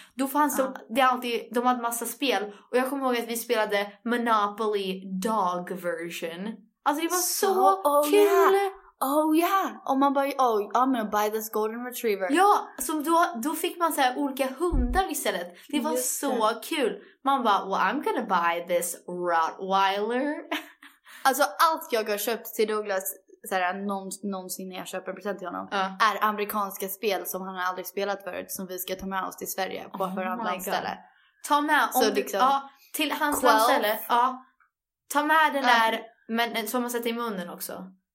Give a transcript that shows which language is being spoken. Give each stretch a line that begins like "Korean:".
Swedish: Då fanns det alltid, de hade massa spel. Och jag kommer ihåg att vi spelade Monopoly Dog Version. Alltså det var så kul!
English: Oh yeah!
Swedish: Och man bara,
English: I'm gonna buy this golden retriever.
Swedish: Ja, så då fick man så här olika hundar istället. Det var kul! Man bara,
English: well, I'm gonna buy this Rottweiler.
Swedish: Alltså allt jag har köpt till Douglas, såhär, någonsin när jag köper present till honom, är amerikanska spel som han har aldrig spelat förut, som vi ska ta med oss till Sverige på hans landställe. Ta med, om till hans landställe. Ja, ta med den där, men som man sätter i munnen också.